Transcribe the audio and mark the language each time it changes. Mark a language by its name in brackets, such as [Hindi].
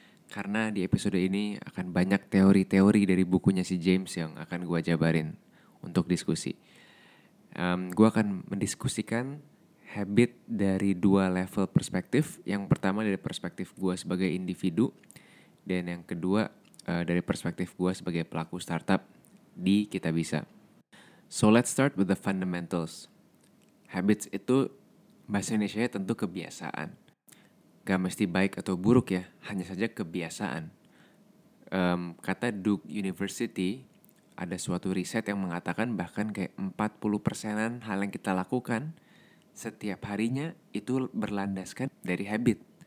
[Indonesian] Karena di episode ini akan banyak teori-teori dari bukunya si James yang akan gue jabarin untuk diskusi. Gue akan mendiskusikan habit dari dua level perspektif. Yang pertama dari perspektif gue sebagai individu, dan yang kedua dari perspektif gue sebagai pelaku startup di Kita Bisa. [English] So let's start with the fundamentals. [Indonesian] Habits itu bahasa Indonesia tentu kebiasaan. Gak mesti baik atau buruk ya, hanya saja kebiasaan. Kata Duke University, ada suatu riset yang mengatakan bahkan kayak 40%-an hal yang kita lakukan setiap harinya itu berlandaskan dari habit.